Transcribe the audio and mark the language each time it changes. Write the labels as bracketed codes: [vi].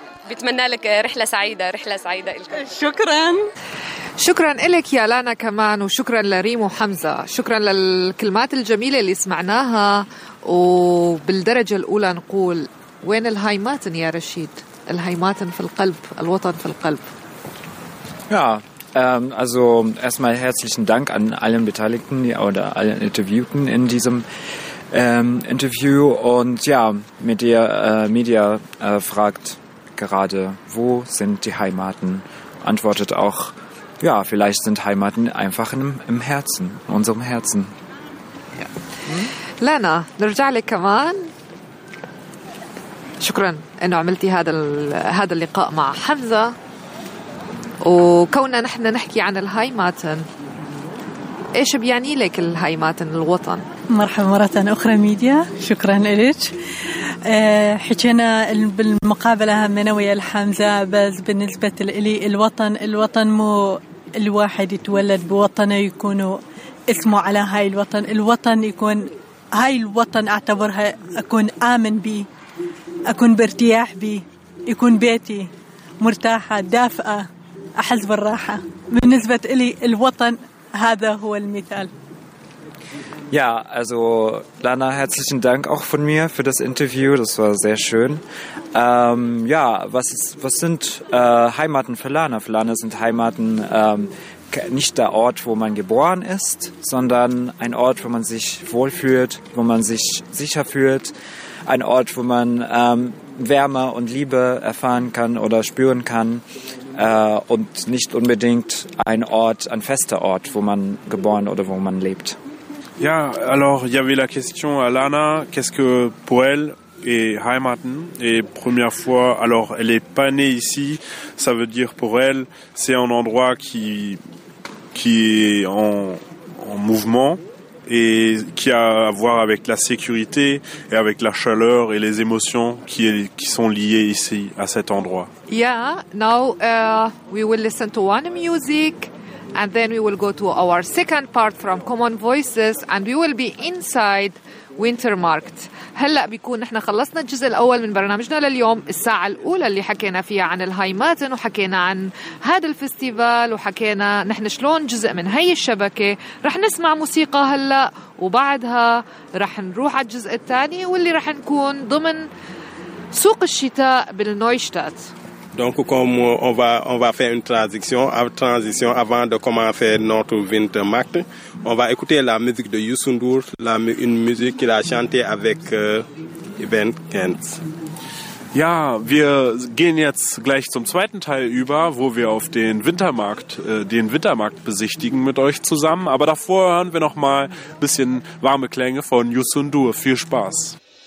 [ar] بتمنى لك رحلة سعيدة، رحلة سعيدة لكم. شكرا. شكرا لك يا لانا كمان، وشكرا لريم وحمزة، شكرا للكلمات الجميلة اللي سمعناها. وبالدرجة الأولى نقول وين الهايماتن يا رشيد؟ الهايماتن في القلب، الوطن في القلب. [de] يا also erstmal herzlichen Dank an allen Beteiligten oder allen Interviewten in diesem Interview. Und ja, Media fragt gerade, wo sind die Heimaten? Antwortet auch, ja, vielleicht sind Heimaten einfach im Herzen, in unserem Herzen. Ja. [ar] Lana, نرجع لك كمان. شكرا انه عملتي هذا اللقاء مع حمزة. وكوننا نحن نحكي عن الهايماتن، إيش بيعني لك الهايماتن الوطن؟ مرحبا مرة أخرى ميديا، شكرا لك. حكينا بالمقابلة من ويا الحمزة، بس بالنسبة لي الوطن مو الواحد يتولد بوطنه يكون اسمه على هاي الوطن، الوطن يكون هاي الوطن أعتبرها أكون آمن بي، أكون بارتياح بي، يكون بيتي مرتاحة دافئة، أحس بالراحة. بالنسبة لي الوطن هذا هو المثال. [de] Ja, also Lana, herzlichen Dank auch von mir für das Interview. Das war sehr schön. Ja, was sind Heimaten für Lana? Für Lana sind Heimaten nicht der Ort, wo man geboren ist, sondern ein Ort, wo man sich wohlfühlt, wo man sich sicher fühlt. Ein Ort, wo man Wärme und Liebe erfahren kann oder spüren kann. Und nicht unbedingt ein Ort, ein fester Ort, wo man geboren oder wo man lebt. [fr] Ja, alors, il y avait la question à Lana, qu'est-ce que pour elle est Heimaten? Et première fois, alors, elle n'est pas née ici, ça veut dire pour elle, c'est un endroit qui est en mouvement et qui a à voir avec la sécurité et avec la chaleur et les émotions qui sont liées ici, à cet endroit. [en] Yeah, now we will listen to one music and then we will go to our second part from Common Voices and we will be inside Wintermarkt. [ar] هلأ بيكون نحن خلصنا الجزء الأول من برنامجنا لليوم، الساعة الأولى اللي حكينا فيها عن الهايماتن وحكينا عن هذا الفستيفال وحكينا نحن شلون جزء من هاي الشبكة. رح نسمع موسيقى هلأ وبعدها رح نروح على الجزء الثاني واللي رح نكون ضمن سوق الشتاء بالنويشتات. [fr] Donc comme on va faire une transition avant de commencer notre Wintermarkt, on va écouter la musique de Youssoundour, une musique qu'il a chantée avec Ivan Kent. [de] Ja, wir gehen jetzt gleich zum zweiten Teil über, wo wir auf den Wintermarkt besichtigen mit euch zusammen. Aber davor hören wir noch mal ein bisschen warme Klänge von Youssoundour. Viel Spaß.